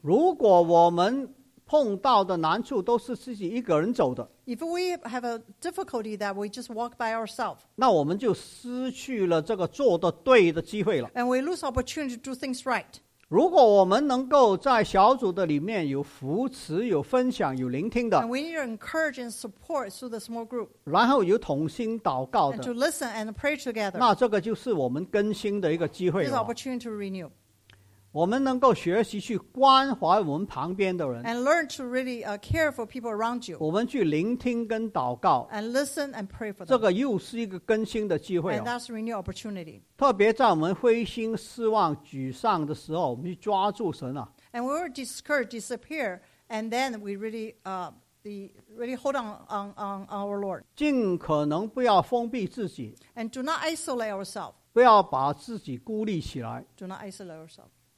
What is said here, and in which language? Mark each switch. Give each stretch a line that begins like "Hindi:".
Chinese: 如果我们碰到的难处都是自己一个人走的,
English: if we have a difficulty that we just walk by ourselves,
Chinese: 那我们就失去了这个做得对的机会了。
English: And we lose opportunity to do things right.
Chinese: 如果我们能够在小组的里面有扶持、有分享、有聆听的，
English: and we need to encourage and support through the small group,
Chinese: 然后有同心祷告的，
English: and to listen and pray together,
Chinese: 那这个就是我们更新的一个机会了。
English: This is an opportunity to renew.
Chinese: 我们能够学习去关怀我们旁边的人，
English: and learn to really care for people around you.
Chinese: 我们去聆听跟祷告，
English: and listen and pray for them.
Chinese: 这个又是一个更新的机会哦。
English: And that's a renewed opportunity.
Chinese: 特别在我们灰心、失望、沮丧的时候， 我们去抓住神啊。
English: And we were discouraged, disappear, and then we really really hold on our Lord.
Chinese: 尽可能不要封闭自己，
English: and do not isolate ourselves.
Chinese: 不要把自己孤立起来。
English: Do not isolate ourselves.